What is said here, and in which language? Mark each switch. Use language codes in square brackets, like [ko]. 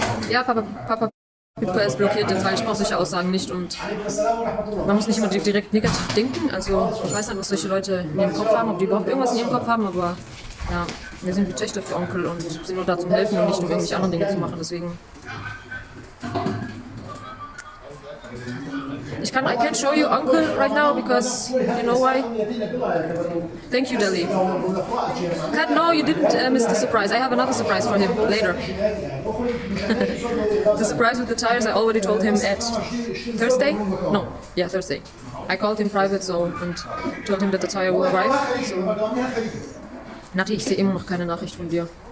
[de] Ja, Papa, Papa ist blockiert, jetzt, weil ich brauche solche Aussagen nicht und man muss nicht immer direkt negativ denken. Also ich weiß nicht, was solche Leute in ihrem Kopf haben, ob die überhaupt irgendwas in ihrem Kopf haben, aber ja, wir sind wie Töchter für Onkel und sind nur da zum Helfen und nicht um irgendwelche anderen Dinge zu machen. Deswegen. [en] I can't show you Uncle right now because you know why. Thank you, Deli. Cut, no, you didn't miss the surprise. I have another surprise for him later. The surprise with the tires, I already told him at Thursday. No, yeah, Thursday. I called him private so and told him that the tire will arrive. So. [de] Nati, ich sehe immer noch keine Nachricht von dir.